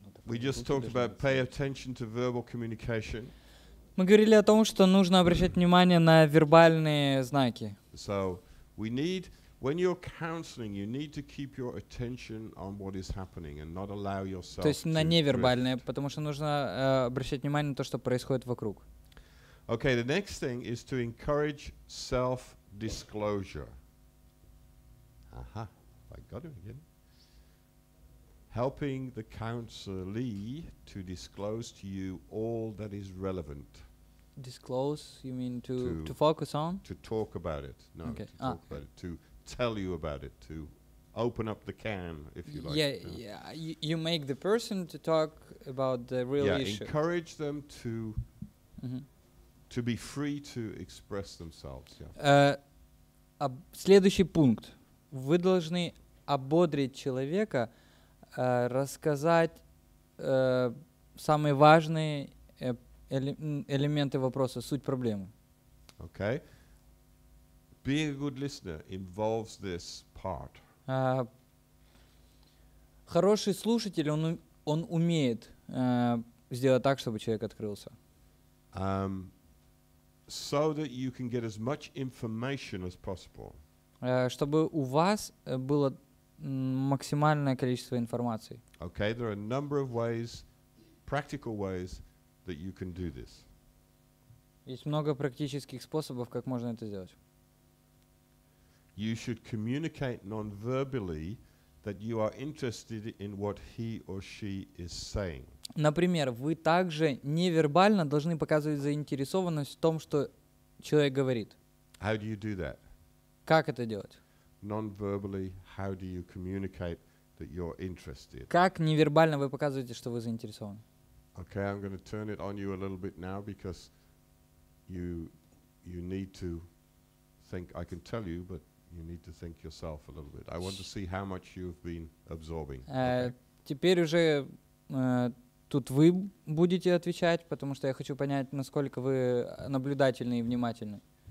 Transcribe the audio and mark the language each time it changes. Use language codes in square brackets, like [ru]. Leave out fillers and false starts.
[en] We just talked about pay attention to verbal communication. [ru] Мы говорили о том, что нужно обращать внимание на вербальные знаки. [en] So we need, when you're counseling, you need to keep your attention on what is happening and not allow yourself. [ru] То есть на невербальное, потому что нужно обращать внимание на то, что происходит вокруг. [en] Okay, the next thing is to encourage self-disclosure. Aha, I got it again. Helping the counselee to disclose to you all that is relevant. Disclose, you mean to focus on? To talk about it. No, okay. To talk about it. To tell you about it. To open up the can, if you like. You make the person to talk about the real issue. Yeah, encourage them to... To be free to express themselves. [ru] Следующий пункт. Вы должны ободрить человека, рассказать самые важные элементы вопроса, суть проблемы. [en] Okay. Being a good listener involves this part. [ru] Хороший слушатель, он умеет сделать так, чтобы человек открылся. [en] So that you can get as much information as possible. [ru] Чтобы у вас было максимальное количество информации. [en] Okay, there are a number of ways, practical ways, that you can do this. [ru] Есть много практических способов, как можно это сделать. [en] You should communicate non-verbally that you are interested in what he or she is saying. [ru] Например, вы также невербально должны показывать заинтересованность в том, что человек говорит. [en] How do you do that? [ru] Как это делать? [en] Non-verbally, how do you communicate that you're interested? [ru] Как невербально вы показываете, что вы заинтересованы? [en] Okay, I'm going to turn it on you a little bit now because you need to think. I can tell you, but you need to think yourself a little bit. I want to see how much you've been absorbing. [ru] Теперь уже тут вы будете отвечать, потому что я хочу понять, насколько вы наблюдательны и внимательны.